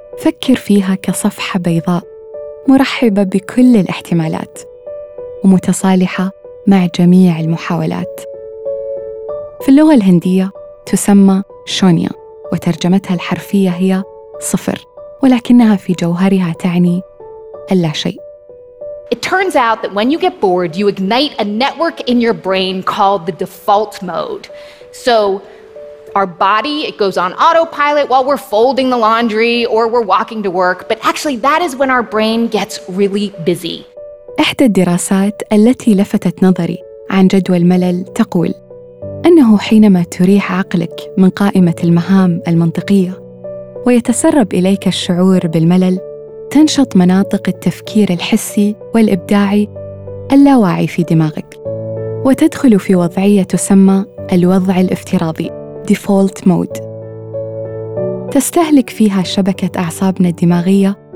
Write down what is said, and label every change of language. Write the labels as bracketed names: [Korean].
[Arabic] فكر فيها كصفحة بيضاء مرحبة بكل الاحتمالات ومتصالحة مع جميع المحاولات. في اللغة الهندية تسمى شونيا، وترجمتها الحرفية هي صفر، ولكنها في جوهرها تعني اللا شيء. [English] It turns out that when you get bored, you ignite a network in your brain called the default mode. So our body, it goes on autopilot while we're folding the laundry or we're walking to work, but actually that is when our brain gets really busy. [Arabic] إحدى الدراسات التي لفتت نظري عن جدوى الملل تقول أنه حينما تريح عقلك من قائمة المهام المنطقية ويتسرب إليك الشعور بالملل، تنشط مناطق التفكير الحسي والإبداعي اللاواعي في دماغك، وتدخل في وضعية تسمى الوضع الافتراضي Default Mode. تستهلك فيها شبكة أعصابنا الدماغية